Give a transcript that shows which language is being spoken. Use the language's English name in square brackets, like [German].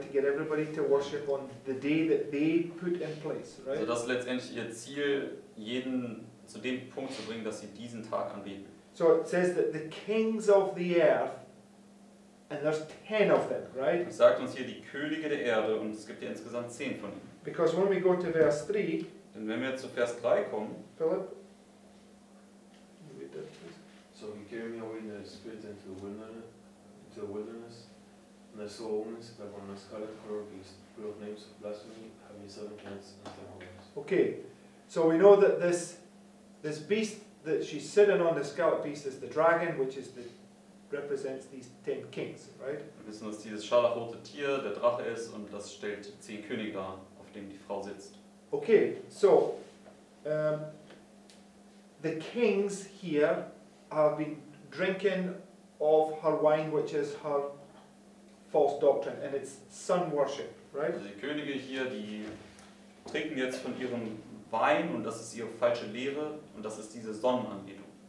[English] To get everybody to worship on the day that they put in place, right? [German] So das ist letztendlich ihr Ziel, jeden zu dem Punkt zu bringen, dass sie diesen Tag anbeten. [English] So it says that the kings of the earth, and there's 10 of them, right? [German] Es sagt uns hier die Könige der Erde und es gibt ja insgesamt 10 von ihnen. [English] Because when we go to verse 3, [German] denn wenn wir zu Vers 3 kommen, [English] Philip, so he carried me away in the spirit into the wilderness. And I saw omens upon a scarlet color beast, full of names of blasphemy, having seven heads and ten horns. Okay, so we know that this beast that she's sitting on, the scarlet beast, is the dragon, which is the represents these 10 kings, right? [German] Wir wissen, dass dieses scharlachrote Tier der Drache ist und das stellt 10 Könige dar, auf dem die Frau sitzt. [English] Okay, so the kings here have been drinking of her wine, which is her false doctrine, and it's sun worship, right? [German] Also die Könige hier, die trinken jetzt von ihrem Wein, und das ist ihre falsche Lehre, und das ist diese Sonnenanbetung.